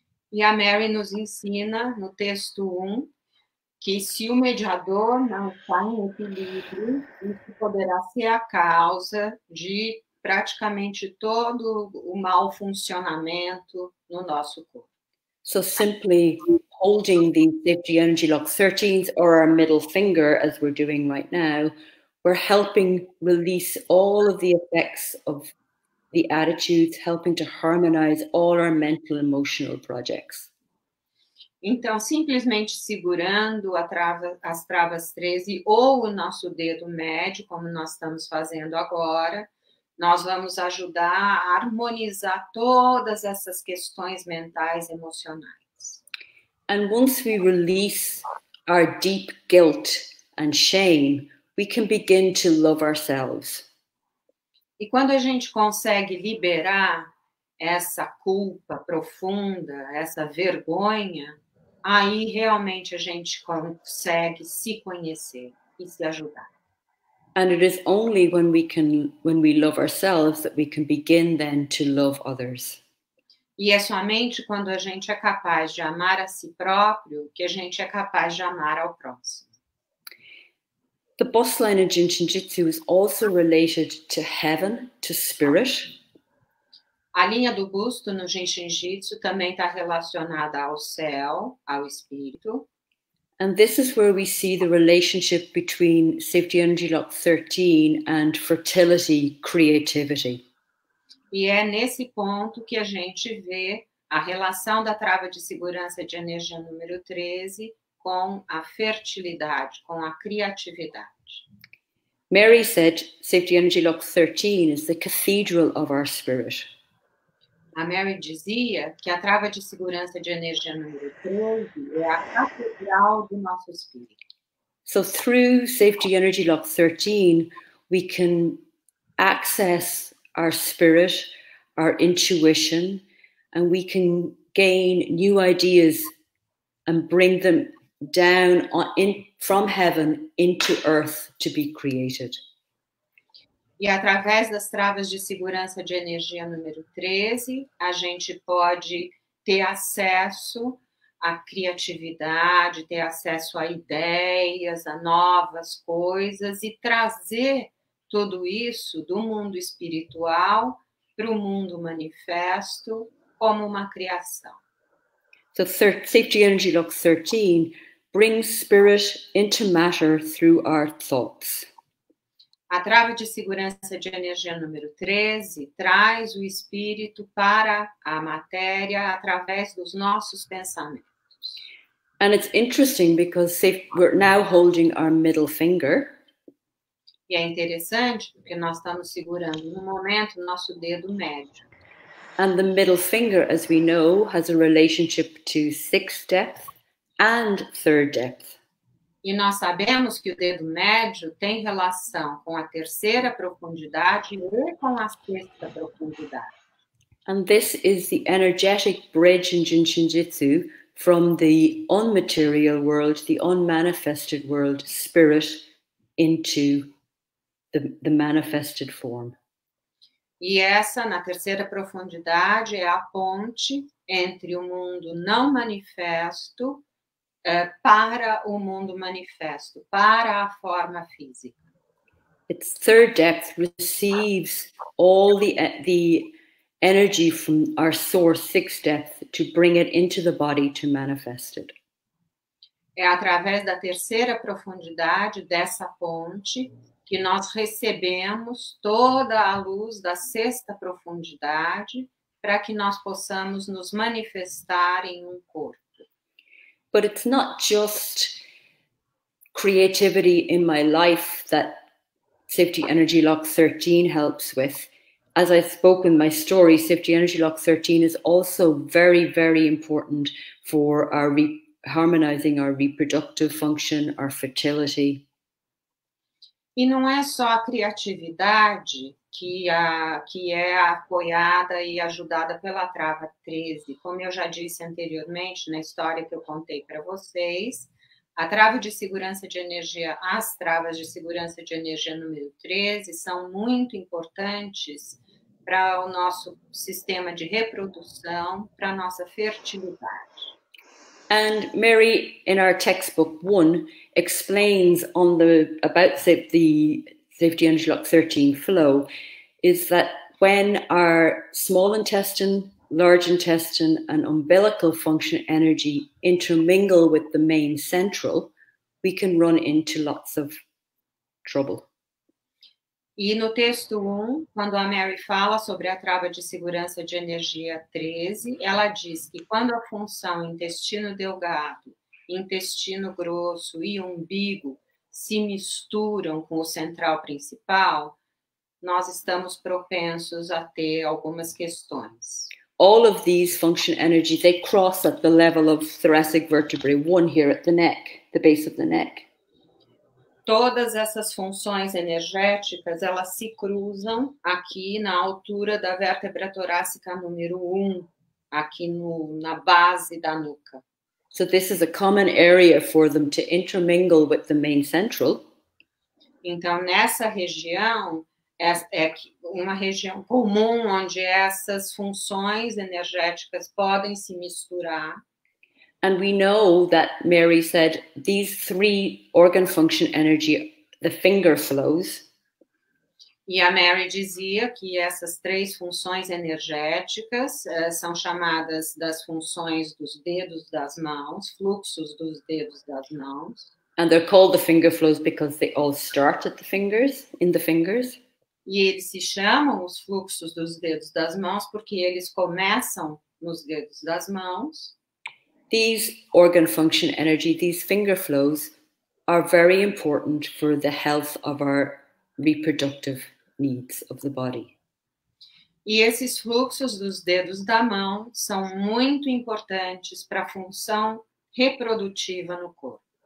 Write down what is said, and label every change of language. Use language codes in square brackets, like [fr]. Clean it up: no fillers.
[pt] E a Mary nos ensina no texto 1 que se o mediador não está em equilíbrio, isso poderá ser a causa de praticamente todo o mau funcionamento no nosso corpo. [en] So simply holding the safety energy lock 13s or our middle finger, as we're doing right now, we're helping release all of the effects of the attitudes, helping to harmonize all our mental and emotional projects. [pt] Então, simplesmente segurando as travas 13 ou o nosso dedo médio, como nós estamos fazendo agora, nós vamos ajudar a harmonizar todas essas questões mentais e emocionais. [en] And once we release our deep guilt and shame, we can begin to love ourselves. [pt] E quando a gente consegue liberar essa culpa profunda, essa vergonha, aí realmente a gente consegue se conhecer e se ajudar. [en] And it is only when we love ourselves that we can begin then to love others. [pt] E é somente quando a gente é capaz de amar a si próprio que a gente é capaz de amar ao próximo. [en] The boss line in Jin Shin Jyutsu is also related to heaven, to spirit. [pt] A linha do busto no Jin Shin Jyutsu também está relacionada ao céu, ao espírito. [en] And this is where we see the relationship between safety energy lock 13 and fertility, creativity. [pt] E é nesse ponto que a gente vê a relação da trava de segurança de energia número 13 com a fertilidade, com a criatividade. [en] Mary said safety energy lock 13 is the cathedral of our spirit. [pt] A Mary dizia que a trava de segurança de energia número 13 é a catedral do nosso espírito. [en] So through safety energy lock 13, we can access our spirit, our intuition, and we can gain new ideas and bring them down from heaven into earth to be created. [pt] E através das travas de segurança de energia número 13, a gente pode ter acesso à criatividade, ter acesso a ideias, a novas coisas e trazer tudo isso do mundo espiritual para o mundo manifesto como uma criação. [en] So, safety energy lock 13 brings spirit into matter through our thoughts. [pt] A trava de segurança de energia número 13 traz o espírito para a matéria através dos nossos pensamentos. [en] And it's interesting because we're now holding our middle finger. [pt] E é interessante porque nós estamos segurando no momento o nosso dedo médio. [en] And the middle finger, as we know, has a relationship to sixth depth and third depth. [pt] E nós sabemos que o dedo médio tem relação com a terceira profundidade e com a sexta profundidade. [en] And this is the energetic bridge in Jin Shin Jyutsu from the unmaterial world, the unmanifested world, spirit, into the manifested form. [pt] E essa, na terceira profundidade, é a ponte entre o mundo não manifesto para o mundo manifesto, para a forma física. [en] its third depth receives all the energy from our source, sixth depth, to bring it into the body to manifest it. [pt] É através da terceira profundidade dessa ponte que nós recebemos toda a luz da sexta profundidade para que nós possamos nos manifestar em um corpo. [en] But it's not just creativity in my life that Safety Energy Lock 13 helps with. As I spoke in my story, Safety Energy Lock 13 is also very, very important for our harmonizing our reproductive function, our fertility. [pt] E não é só a criatividade que é apoiada e ajudada pela trava 13. Como eu já disse anteriormente na história que eu contei para vocês, a trava de segurança de energia, as travas de segurança de energia número 13 são muito importantes para o nosso sistema de reprodução, para a nossa fertilidade. [en] And Mary, in our textbook 1, explains on the about the Safety Energy Lock 13 flow is that when our small intestine, large intestine and umbilical function energy intermingle with the main central, we can run into lots of trouble. [pt] E no texto 1, quando a Mary fala sobre a trava de segurança de energia 13, ela diz que quando a função intestino delgado, intestino grosso e umbigo se misturam com o central principal, nós estamos propensos a ter algumas questões. [en] All of these function energies, they cross at the level of thoracic vertebrae 1 here at the neck, the base of the neck. [pt] Todas essas funções energéticas, elas se cruzam aqui na altura da vértebra torácica número 1, aqui no, na base da nuca. [en] So this is a common area for them to intermingle with the main central. [pt] Então, nessa região, é uma região comum onde essas funções energéticas podem se misturar. [en] And we know that Mary said these three organ function energy, the finger flows. [pt] E a Mary dizia que essas três funções energéticas são chamadas das funções dos dedos das mãos, fluxos dos dedos das mãos. [en] And they're called the finger flows because they all start at the fingers, in the fingers. [pt] E eles se chamam os fluxos dos dedos das mãos porque eles começam nos dedos das mãos. [en] These organ function energy, these finger flows, are very important for the health of our reproductive needs of the body. [pt] E esses fluxos dos dedos da mão são muito importantes para a função reprodutiva no corpo.